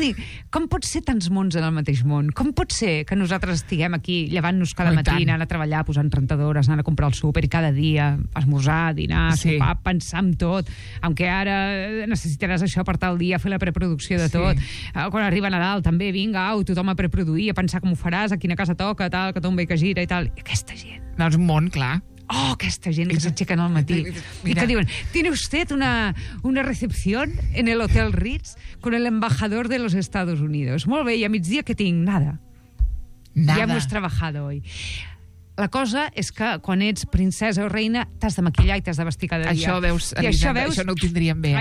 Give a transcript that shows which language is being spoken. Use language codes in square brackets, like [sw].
[ca] I com pot ser tants mons en el mateix món? Com pot ser que nosaltres estiguem aquí llevant-nos cada matí, anant a treballar, posant rentadores, anant a comprar el súper i cada dia esmorzar, dinar, sopar, pensar en tot, aunque ara necessitaràs això per tal dia, fer la preproducció de tot. Quan arriba Nadal, també, vinga, au, tothom a preproduir, a pensar com ho faràs, a quina casa toca, tal, que tomba i que gira i tal. I aquesta gent. No, és un món, clar. Oh, aquesta gent que s'aixequen al matí. Mira. I que diuen, [es] ¿tiene usted una recepció en el Hotel Ritz con el embajador de los Estados Unidos? [ca] Molt bé, i a migdia que tinc? [es] Nada. Nada. Ya hemos trabajado hoy. [ca] La cosa és que quan ets princesa o reina t'has de maquillar i t'has de vestir cada dia. Això veus, Elisenda, això no ho tindríem bé. Eh?